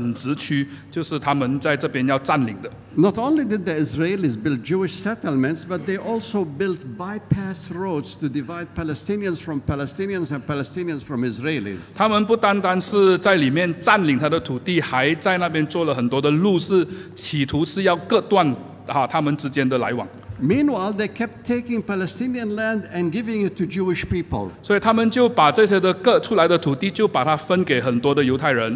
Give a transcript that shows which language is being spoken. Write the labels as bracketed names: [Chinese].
[Chinese] 这些就是在巴勒斯坦里面的犹太人的垦殖区，就是他们在这边要占领的。 [English] Not only did the Israelis build Jewish settlements, but they also built bypass roads to divide Palestinians from Palestinians and Palestinians from Israelis. [Chinese] 他们不单单是在里面占领他的土地，还在那边做了很多的路，是企图是要割断他们之间的来往。 [English] Meanwhile, they kept taking Palestinian land and giving it to Jewish people. [Chinese] 所以他们就把这些的割出来的土地，就把它分给很多的犹太人。